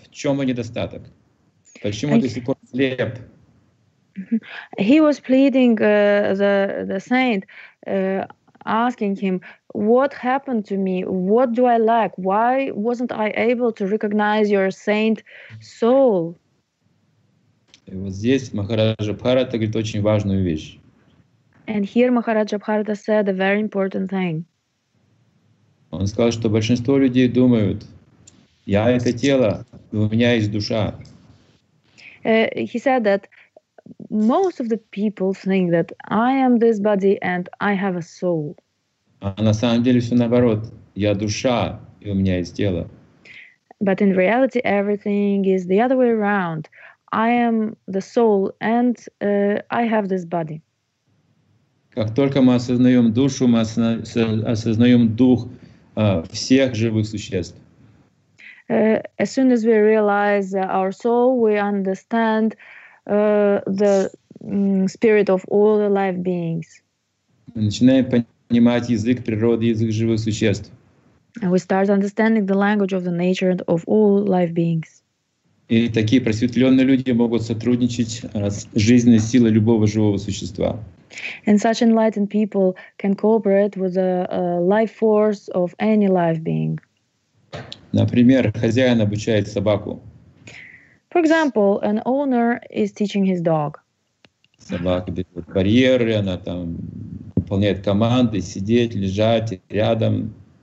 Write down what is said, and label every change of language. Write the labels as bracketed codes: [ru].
[ru] В чем мой недостаток? [en] He was pleading the saint, asking him, what happened to me? What do I lack? Why wasn't I able to recognize your saint soul? [ru] И вот здесь Махараджа Бхарата говорит очень важную вещь. [en] And here Махараджа Бхарата said a very important thing. [ru] Он сказал, что большинство людей думают, я это тело, у меня есть душа. [en] He said that most of the people think that I am this body and I have a soul. [ru] На самом деле все наоборот. Я душа, и у меня есть тело. [en] But in reality, everything is the other way around. I am the soul and I have this body. [ru] Как только мы осознаем душу, мы осознаем дух всех живых существ. [en] As soon as we realize our soul, we understand the spirit of all the life beings. [ru] Мы начинаем понимать язык природы, язык живых существ. [en] And we start understanding the language of the nature and of all life beings. [ru] И такие просветленные люди могут сотрудничать с жизненной силой любого живого существа. [en] And such enlightened people can cooperate with the life force of any life being. [ru] Например, хозяин обучает собаку. [en] For example, an owner is teaching his dog. [ru] Собака бегает барьеры, она там выполняет команды, сидеть, лежать, рядом.